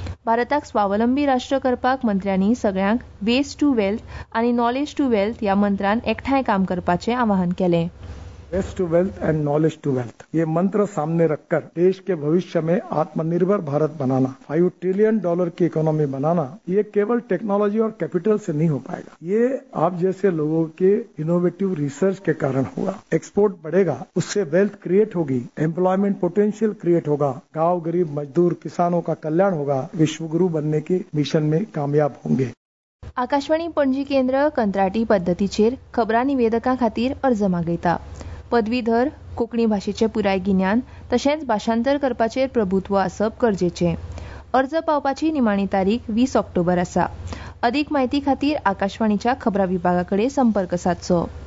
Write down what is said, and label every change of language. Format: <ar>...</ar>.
<gom>भारताक स्वावलंबी राष्ट्र करपाक मंत्र्यांनी सगळ्यांक वेस्ट टू वेल्थ आनी नॉलेज टू वेल्थ ह्या मंत्रान एकठांय काम करपाचे आवाहन केले.</gom> <hi>Waste to wealth and knowledge to wealth, ये मंत्र सामने रखकर देश के भविष्य में आत्मनिर्भर भारत बनाना, $5 trillion की इकोनॉमी बनाना, ये केवल टेक्नोलॉजी और कैपिटल से नहीं हो पाएगा. ये आप जैसे लोगों के इनोवेटिव रिसर्च के कारण होगा. एक्सपोर्ट बढ़ेगा, उससे वेल्थ क्रिएट होगी, एम्प्लॉयमेंट पोटेंशियल क्रिएट होगा, गांव गरीब मजदूर किसानों का कल्याण होगा, विश्वगुरु बनने के मिशन में कामयाब होंगे.</hi> <gom>आकाशवाणी पणजी केंद्र कंत्राटी पद्धतीचेर खबरां निवेदकां खातीर अर्ज मागयता. पदवीधर, कोंकणी भाशेचे पुराय गिन्यान तशेंच भाशांतर करपाचेर प्रभुत्व आसप गरजेचे. अर्ज पावपाची निमाणी तारीख 20 ऑक्टोबर आसा. अधिक म्हायती खातीर आकाशवाणीच्या खबरां विभागाकडे संपर्क साधचो.</gom>